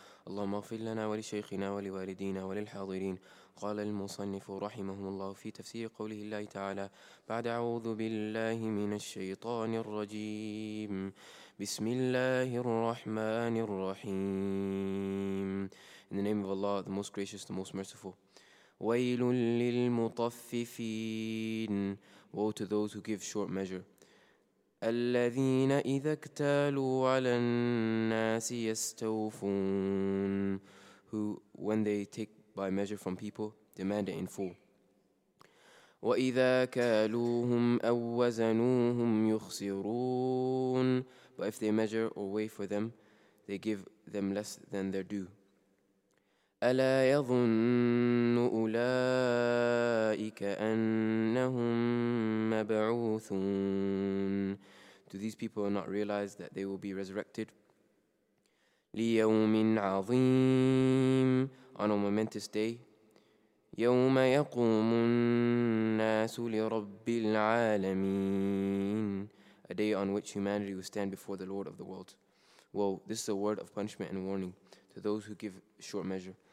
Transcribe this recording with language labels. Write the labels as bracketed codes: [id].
[ar] اللهم اغفر لنا ولشيخنا ولوالدينا وللحاضرين. قال المصنف رحمه الله في تفسير قوله الله تعالى بعد أعوذ بالله من الشيطان الرجيم بسم الله الرحمن الرحيم. [en] In the name of Allah, the most gracious, the most merciful. [ar] ويل للمطففين. [en] Woe to those who give short measure. [ar] الذين إذا اكتالوا على الناس يستوفون. [en] Who, when they take by measure from people, demand it in full. [ar] وإذا كالوهم أو وزنوهم يخسرون. [en] But if they measure or weigh for them, they give them less than their due. [ar] ألا يظن أولئك أنهم مبعوثون. [en] Do these people not realize that they will be resurrected? [ar] ليوم عظيم. [en] On a momentous day. [ar] يوم يقوم الناس لرب العالمين. [en] A day on which humanity will stand before the Lord of the world. Well, this is a word of punishment and warning to those who give short measure.